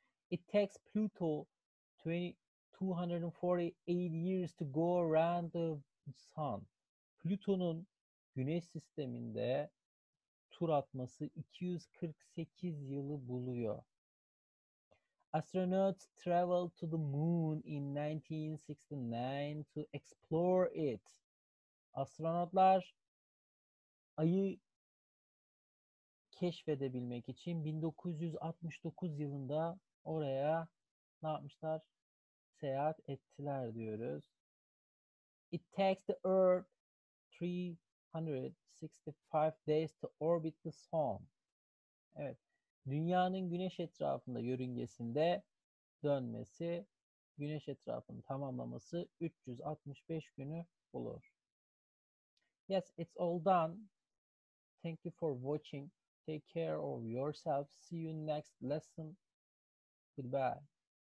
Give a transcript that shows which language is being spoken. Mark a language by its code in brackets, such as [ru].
[en] It takes Pluto 248 years to go around the sun. [tr] Pluto'nun Güneş sisteminde tur atması 248 yılı buluyor. [en] Astronauts traveled to the moon in 1969 to explore it. [tr] Astronotlar Ay'ı keşfedebilmek için 1969 yılında oraya ne yapmışlar? Seyahat ettiler diyoruz. [en] It takes the Earth 365 days to orbit the sun. [tr] Evet. Dünyanın Güneş etrafında yörüngesinde dönmesi, Güneş etrafını tamamlaması 365 günü bulur. [en] Yes, it's all done. Thank you for watching. Take care of yourself. See you next lesson. Goodbye.